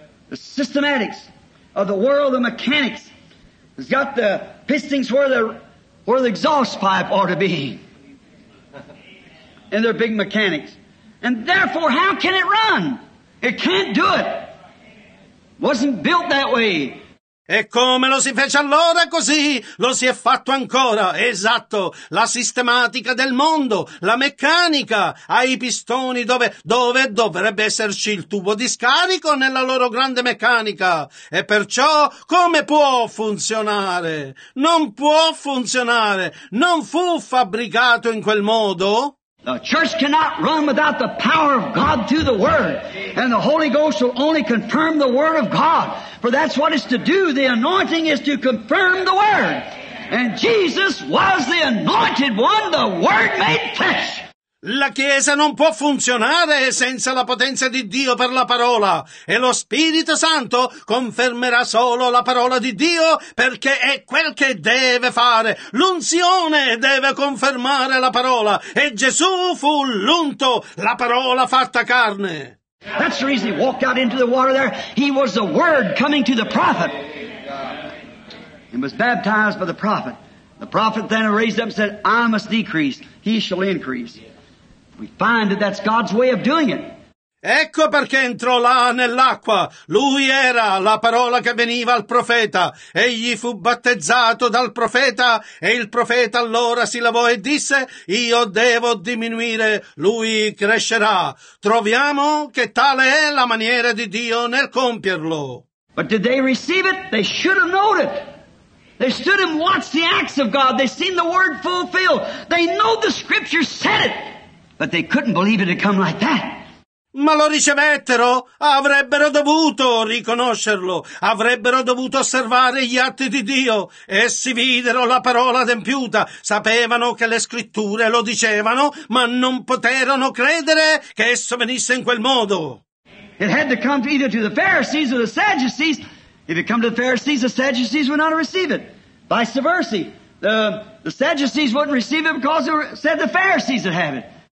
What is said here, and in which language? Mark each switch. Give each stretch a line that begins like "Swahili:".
English: The systematics of the world, the mechanics, has got the pistons where the exhaust pipe ought to be. And they're big mechanics. And therefore, how can it run? It can't do it. Wasn't built that way.
Italian: E come lo si fece allora, così lo si è fatto ancora. Esatto, la sistematica del mondo, la meccanica, ha i pistoni dove dovrebbe esserci il tubo di scarico nella loro grande meccanica. E perciò come può funzionare? Non può funzionare. Non fu fabbricato in quel modo.
English: The church cannot run without the power of God through the Word. And the Holy Ghost will only confirm the Word of God. For that's what it's to do. The anointing is to confirm the Word. And Jesus was the anointed one, the Word made flesh.
Italian: La Chiesa non può funzionare senza la potenza di Dio per la parola, e lo Spirito Santo confermerà solo la parola di Dio, perché è quel che deve fare. L'unzione deve confermare la parola, e Gesù fu l'unto, la parola fatta carne.
English: That's the reason he walked out into the water there. He was the Word coming to the prophet. He was baptized by the prophet. The prophet then raised up and said, I must decrease, he shall increase. We find that that's God's way of doing it.
Italian: Ecco perché entrò là nell'acqua. Lui era la parola che veniva al profeta. Egli fu battezzato dal profeta, e il profeta allora si lavò e disse: io devo diminuire, lui crescerà. Troviamo che tale è la maniera di Dio nel compierlo.
English: But did they receive it? They should have known it. They stood and watched the acts of God. They seen the word fulfilled. They know the scripture said it. But they couldn't believe it had come like that.
Italian: Ma lo ricevettero? Avrebbero dovuto riconoscerlo. Avrebbero dovuto osservare gli atti di Dio. Essi videro la parola adempiuta. Sapevano che le scritture lo dicevano, ma non poterono credere che esso venisse in quel modo.
English: It had to come either to the Pharisees or the Sadducees. If it come to the Pharisees, the Sadducees would not receive it. Vice versa. The Sadducees wouldn't receive it because they said the Pharisees would have it.